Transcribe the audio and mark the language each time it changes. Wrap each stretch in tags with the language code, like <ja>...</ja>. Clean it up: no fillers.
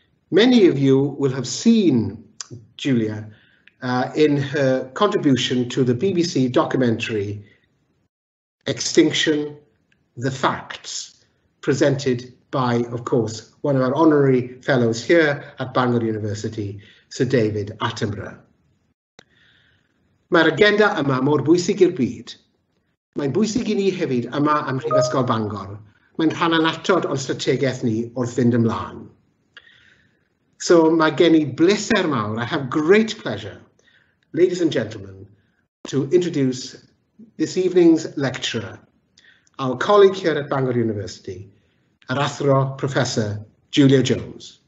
<en>Many of you will have seen Julia in her contribution to the BBC documentary Extinction, The Facts, presented by, of course, one of our honorary fellows here at Bangor University, Sir David Attenborough.</en> <cy>Mae'r agenda yma mor bwysig i'r byd. Mae'n bwysig i ni hefyd yma ym Mhrifysgol Bangor. Mae'n rhan anatod o'n strategaeth ni wrth fynd ymlaen.</cy> <en>So</en> <cy>mae gen i bleser mawr,</cy> <en>I have great pleasure, ladies and gentlemen, to introduce this evening's lecturer, our colleague here at Bangor University,</en> <cy>yr athro</cy> <en>Professor Julia Jones.</en>